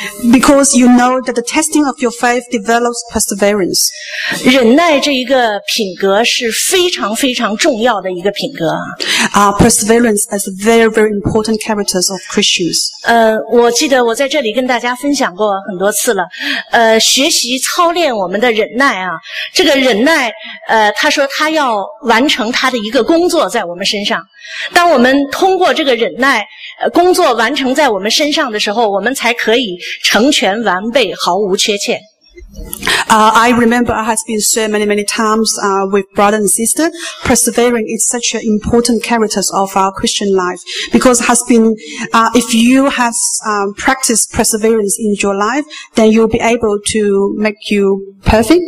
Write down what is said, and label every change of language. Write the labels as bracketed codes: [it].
[en] Because you know that the testing of your faith develops perseverance. [zh] 忍耐这一个品格是非常非常重要的一个品格。 [en] Perseverance is a very, very important character of Christians. [zh] 我记得我在这里跟大家分享过很多次了。学习操练我们的忍耐啊，这个忍耐，他说他要完成他的一个工作在我们身上。当我们通过这个忍耐，工作完成在我们身上的时候，我们才可以成全完备，毫无缺欠。 [en] I remember I have been shared many, many times with brother and sister. Persevering is such an important character of our Christian life. Because has been, if you have practiced perseverance in your life, then you'll be able to make you perfect.